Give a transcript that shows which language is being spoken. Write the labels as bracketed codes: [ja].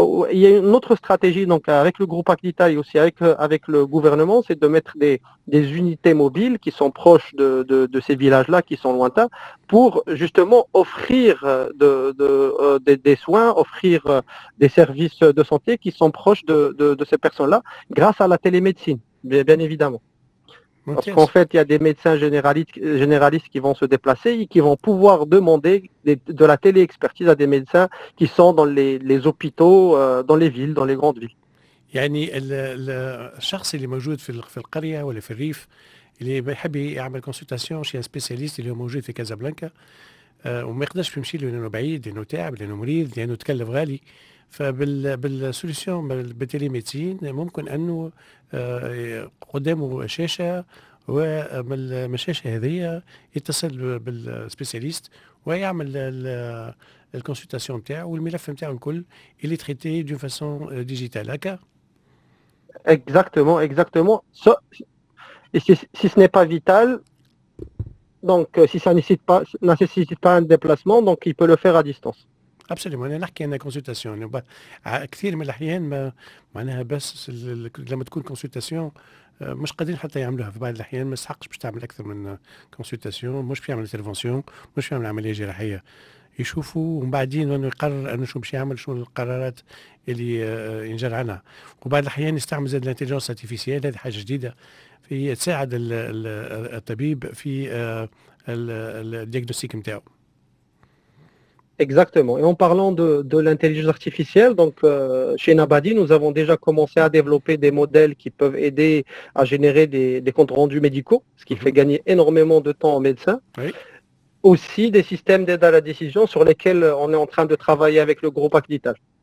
[fr] Il y a une autre stratégie, donc avec le groupe Aklita et aussi avec le gouvernement, c'est de mettre des unités mobiles qui sont proches de ces villages-là, qui sont lointains, pour justement offrir des soins, offrir des services de santé qui sont proches de ces personnes-là, grâce à la télémédecine, bien évidemment. Okay. Parce qu'en fait, il y a des médecins généralistes qui vont se déplacer et qui vont pouvoir demander de la télé-expertise à des médecins qui sont dans les hôpitaux, dans les villes, dans les grandes villes. [ar] يعني الشخص اللي موجود في القرية ولا في الريف اللي بيحب يعمل كونسلتاسيون شي سبيسياليست اللي هو موجود في كازابلانكا وما يقدرش يمشي له لانه بعيد لانه تعب لانه مريض لانه تكلف غالي فبالسوليسيون بالتيليميتين ممكن انه قدامه شاشة ومالشاشة هذه يتصل بالسبيسياليست ويعمل الكونسلتاسيون بتاعه والملف بتاعه الكل اللي تريتي دون فاسون ديجيتال هكا. [fr] Exactement, exactement. Si ce n'est pas vital, donc si ça ne nécessite pas un déplacement, donc il peut le faire à distance. Absolument. On a une consultation. On a [ar] كثير من الأحيان ما معناها بس لما تكون consultation مش قادرين حتى يعملوها في بعض الأحيان ما يستحقش باش تعمل أكثر من consultation مش في عمل intervention مش في عمل عملية جراحية. يشوفوا وبعدين انه يقرر انه شو باش يعمل شو القرارات اللي ينجر عنها وبعض الاحيان يستعمل زاد الانتيجنس ارتيفيسيال هذه حاجه جديده في تساعد الطبيب في الدياجنوستيك نتاعو. [fr] Exactement. Et en parlant de l'intelligence artificielle, donc chez Nabadi, nous avons déjà commencé à développer des modèles qui peuvent aider à générer des comptes rendus médicaux, ce qui fait gagner énormément de temps aux médecins. Oui. Aussi des systèmes d'aide à la décision sur lesquels on est en train de travailler avec le groupe Aklital.